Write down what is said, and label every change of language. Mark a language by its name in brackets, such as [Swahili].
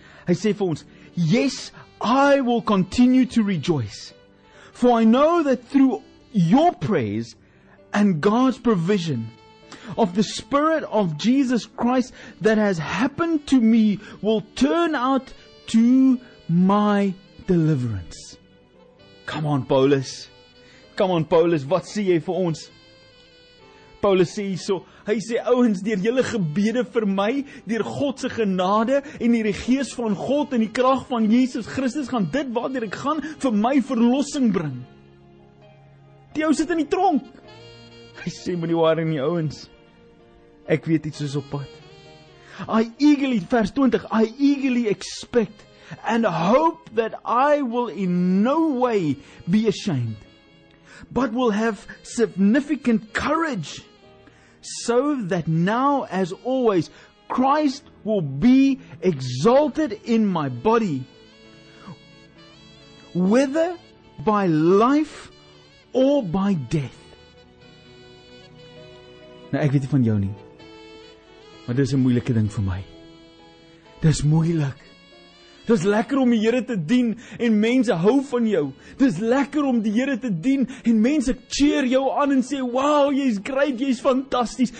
[Afrikaans] Hy sê vir ons, [English] yes, I will continue to rejoice, for I know that through your praise and God's provision, of the Spirit of Jesus Christ that has happened to me will turn out to my deliverance. Come on, Paulus. Come on, Paulus, [Afrikaans] wat sê jy vir ons? Paulus sê hierso, hy sê, ouens, deur julle gebede vir my, deur God se genade en deur die Gees van God en die krag van Jesus Christus, gaan dit waardeur ek gaan vir my verlossing bring. Die ou sit in die tronk. Hy sê, moenie waar in die ouens, ek weet iets is op pad. [English] I eagerly expect and hope that I will in no way be ashamed, but will have significant courage, so that now, as always, Christ will be exalted in my body, whether by life or by death. [Afrikaans] Nou, ek weet nie van jou nie, maar dit is 'n moeilike ding vir my. Dit is moeilik. Dis lekker om die Here te dien en mense hou van jou. Dis lekker om die Here te dien en mense cheer jou aan en sê, "Wow, jy's great, jy's fantasties.